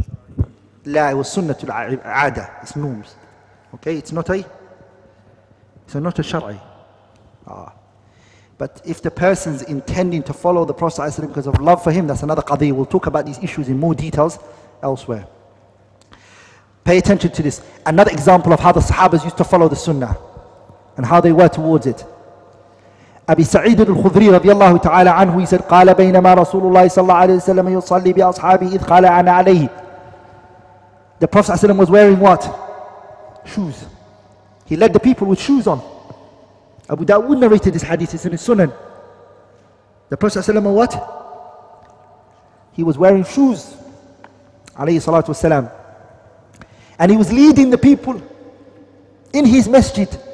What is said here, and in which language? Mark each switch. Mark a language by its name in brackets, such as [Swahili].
[English] a sunnah. La, it was sunnah al-aada. It's norms. Okay, it's not a... It's not a shari. Ah. But if the person's intending to follow the Prophet ﷺ because of love for him, that's another qadhi. We'll talk about these issues in more details elsewhere. Pay attention to this. Another example of how the sahabas used to follow the sunnah and how they were towards it. [Arabic] أبي سعيد الخضري رضي الله تعالى عنه يسأل قال بينما رسول الله صلى الله عليه وسلم يصلي بأصحابه إذ قال أنا عليه. [English] The Prophet ﷺ was wearing what? Shoes. He led the people with shoes on. Abu Dawud narrated this hadith, it's in his Sunan. The Prophet ﷺ what? He was wearing shoes. Alayhi salatu wasalam. And he was leading the people in his masjid.